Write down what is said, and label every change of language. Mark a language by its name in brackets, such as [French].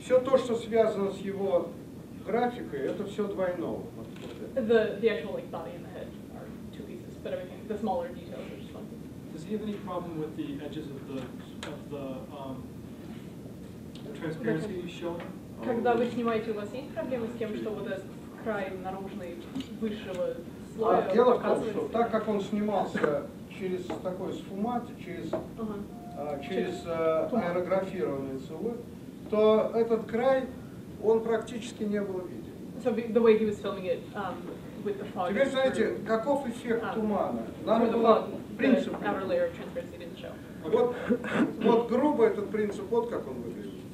[Russian] Все то, что связано с его графикой, это все двойного. [English] The actual like body and the head are two pieces, but everything the smaller details are just one piece. Does he have any problem with the edges of the transparency you show? [Russian] Когда вы снимаете, у вас есть проблемы с тем, что вот этот край наружный высшего слоя? А дело в том, что так как он снимался через такой сфумат, через аэрографированный целлюлит, то этот край он практически не было виден. [English] So the way he was filming it with the fog. [Russian] Теперь знаете, каков эффект тумана? Нам было принцип. [English] The outer layer of transparency didn't show. [Russian] Вот, вот грубо этот принцип, вот как он выглядит.